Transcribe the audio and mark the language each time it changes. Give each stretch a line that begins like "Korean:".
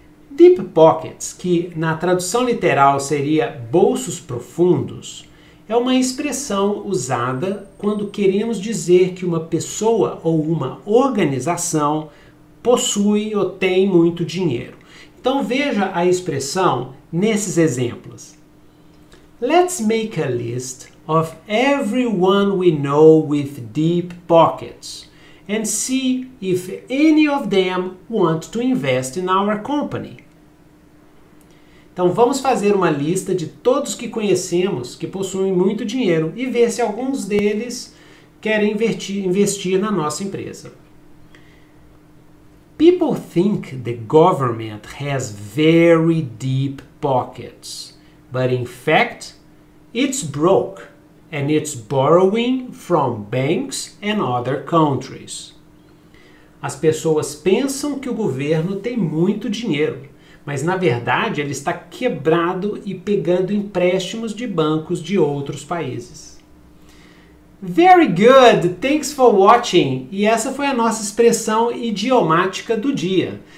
Portuguese: Deep pockets, que na tradução literal seria bolsos profundos, é uma expressão usada quando queremos dizer que uma pessoa ou uma organização possui ou tem muito dinheiro. Então veja a expressão nesses exemplos.
English: Let's make a list of everyone we know with deep pockets and see if any of them want to invest in our company.
Portuguese: Então vamos fazer uma lista de todos que conhecemos que possuem muito dinheiro e ver se alguns deles querem investir na nossa empresa.
English: People think the government has very deep pockets, but in fact, it's broke and it's borrowing from banks and other countries.
Portuguese: As pessoas pensam que o governo tem muito dinheiro, mas na verdade ele está quebrado e pegando empréstimos de bancos de outros países.
English: Very good! Thanks for watching!
Portuguese: E essa foi a nossa expressão idiomática do dia.